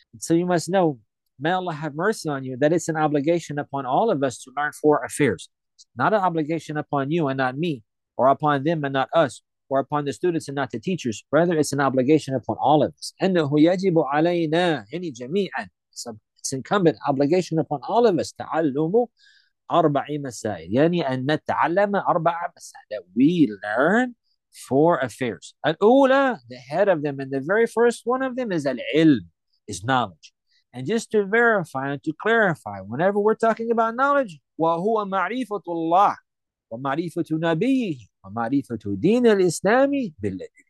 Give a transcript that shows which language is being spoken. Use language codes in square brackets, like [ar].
[en] So you must know, may Allah have mercy on you, that it's an obligation upon all of us to learn four affairs. Not an obligation upon you and not me, or upon them and not us, or upon the students and not the teachers. Rather, it's an obligation upon all of us. [ar] أَنَّهُ يَجِبُ عَلَيْنَا يَنِي جَمِيعًا. [en] It's incumbent, obligation upon all of us. [ar] تَعَلُّمُ أَرْبَعِ مَسَائِلِ يَنِي أَن نَتَعَلَّمَ أَرْبَعَ مَسَائِلِ. [en] That we learn four affairs. الْأُولَى, the head of them, and the very first one of them is العلم, is knowledge. And just to verify and to clarify, whenever we're talking about knowledge, [ar] وَهُوَ مَعْرِفَةُ اللَّهِ وَمَعْرِفَةُ نَبِيِّهِ وَمَعْرِفَةُ دِينِ الْإِسْلَامِ بِاللَّهِ.